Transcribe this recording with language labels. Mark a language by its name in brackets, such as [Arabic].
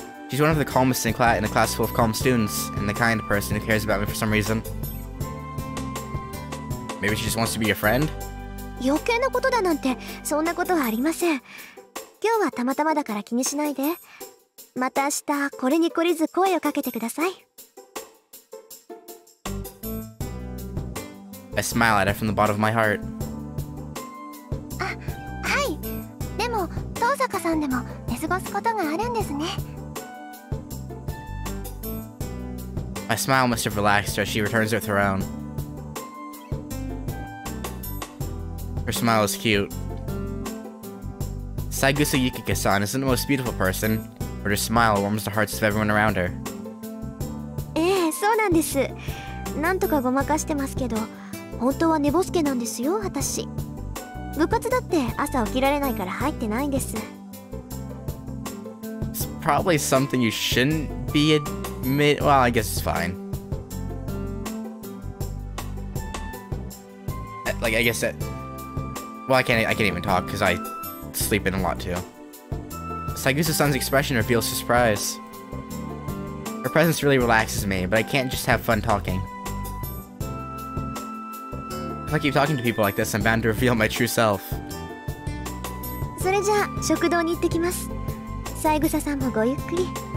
[English] She's one of the calmest in a class full of calm students, and the kind of person who cares about me for some reason. Maybe she just wants to be your friend? [Japanese] 余計なことだなんて、そんなことはありません。今日はたまたまだから気にしないで。また明日、これに懲りず声をかけてください。 [English] I smile at her from the bottom of my heart. [Japanese] あ、はい。でも、遠坂さんでも寝過ごすことがあるんですね。 [English] My smile must have relaxed as she returns with her own. Her smile is cute. Saigusa Yukika-san isn't the most beautiful person, but her smile warms the hearts of everyone around her. [Japanese] ええ、そうなんです。なんとかごまかしてますけど、本当は寝ぼすけなんですよ、私。部活だって朝起きられないから入ってないんです。 [English] It's probably something you shouldn't be admit- well, I guess it's fine. Like, I guess that- Well, I can't even talk, because I sleep in a lot, too. Saigusa-san's expression reveals surprise. Her presence really relaxes me, but I can't just have fun talking. If I keep talking to people like this, I'm bound to reveal my true self. [Japanese] それじゃあ、食堂に行ってきます。サイグサさんもごゆっくり。